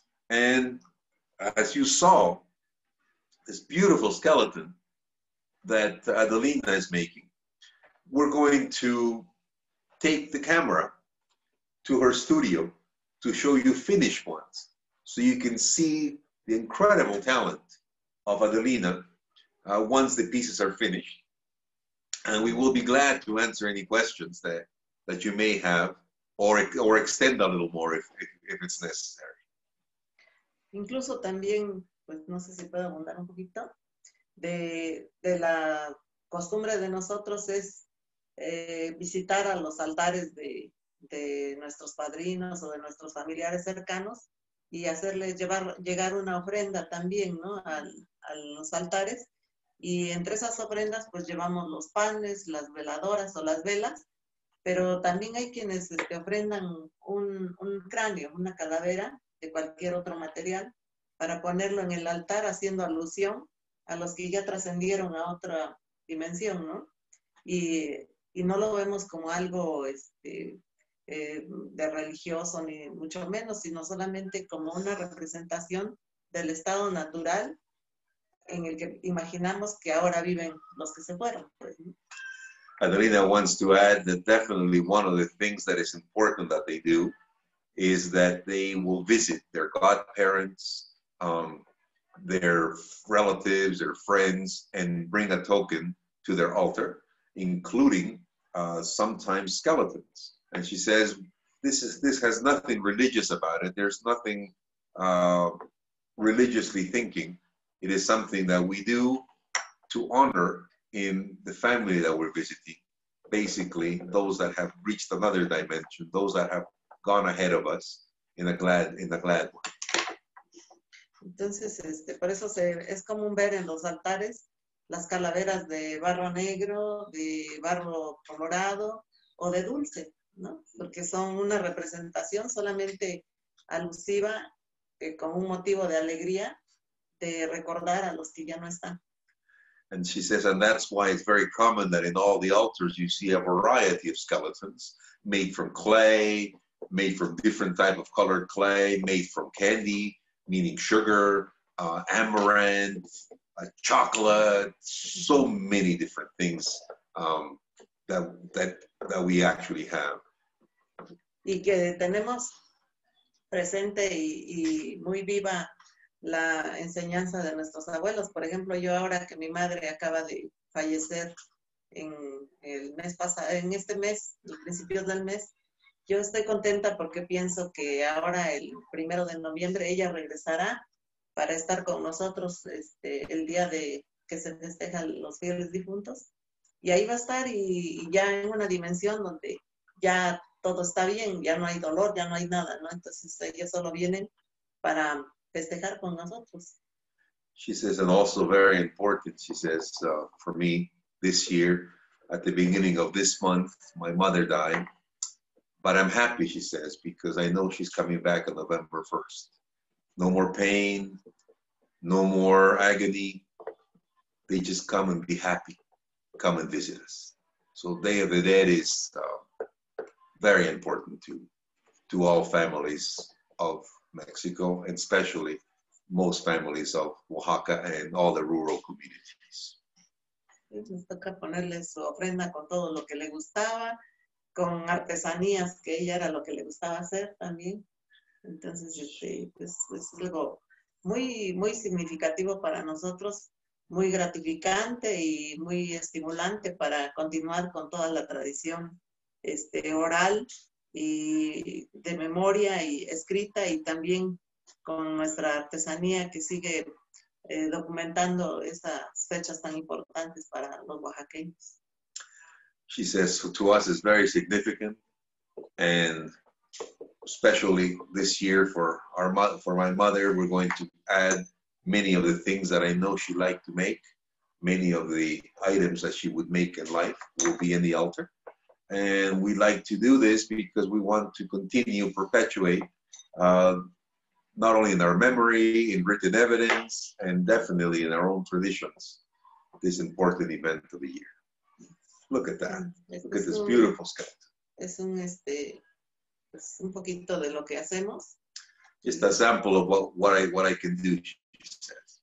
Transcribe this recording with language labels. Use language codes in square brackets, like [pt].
[en] And as you saw, this beautiful skeleton that Adelina is making, we're going to take the camera to her studio to show you finished ones, so you can see the incredible talent of Adelina once the pieces are finished. And we will be glad to answer any questions that you may have, or extend a little more if it's necessary. [es] Incluso también, pues no sé si puedo abundar un poquito, de la costumbre de nosotros es visitar a los altares de nuestros padrinos o de nuestros familiares cercanos y hacerles llegar una ofrenda también, ¿no? A los altares. Y entre esas ofrendas, pues llevamos los panes, las veladoras o las velas, pero también hay quienes ofrendan un cráneo, una calavera de cualquier otro material para ponerlo en el altar haciendo alusión a los que ya trascendieron a otra dimensión, ¿no? Y no lo vemos como algo de religioso ni mucho menos, sino solamente como una representación del estado natural en el que imaginamos que ahora viven los que se fueron. [en] Adelina wants to add that definitely one of the things that is important that they do is that they will visit their godparents, their relatives, their friends, and bring a token to their altar, including sometimes skeletons. And she says, this has nothing religious about it. There's nothing religiously thinking. It is something that we do to honor in the family that we're visiting. Basically, those that have reached another dimension, those that have gone ahead of us in a glad way. [es] Entonces, por eso es común ver en los altares las calaveras de barro negro, de barro colorado o de dulce, ¿no? Porque son una representación solamente alusiva, con un motivo de alegría, de recordar a los que ya no están. [en] And she says, and that's why it's very common that in all the altars you see a variety of skeletons made from clay, made from different type of colored clay, made from candy, meaning sugar, amaranth, chocolate, so many different things that we actually have. [es] Y que tenemos presente y muy viva la enseñanza de nuestros abuelos. Por ejemplo, yo ahora que mi madre acaba de fallecer en este mes, los principios del mes, yo estoy contenta porque pienso que ahora el primero de noviembre ella regresará para estar con nosotros el día de que se festejan los fieles difuntos. Y ahí va a estar y ya en una dimensión donde ya todo está bien, ya no hay dolor, ya no hay nada, ¿no? Entonces ellos solo vienen para festejar con nosotros. [en] She says, and also very important, she says, for me, this year, at the beginning of this month, my mother died. But I'm happy, she says, because I know she's coming back on November 1st. No more pain, no more agony. They just come and be happy, come and visit us. So Day of the Dead is very important to all families of Mexico, and especially most families of Oaxaca and all the rural communities. [es] Nos toca ponerle su ofrenda con todo lo que le gustaba, con artesanías que ella era lo que le gustaba hacer también. Entonces, pues es algo muy, muy significativo para nosotros, muy gratificante y muy estimulante para continuar con toda la tradición oral y de memoria y escrita y también con nuestra artesanía que sigue documentando estas fechas tan importantes para los oaxaqueños. [en] She says, to us it's very significant, and especially this year for my mother, we're going to add many of the things that I know she liked to make. Many of the items that she would make in life will be in the altar. And we like to do this because we want to continue perpetuate, not only in our memory, in written evidence, and definitely in our own traditions, this important event of the year. Look at that. Look at this beautiful skeleton. [es] Es un es un poquito de lo que hacemos. [en] Just a sample of what I can do, she says.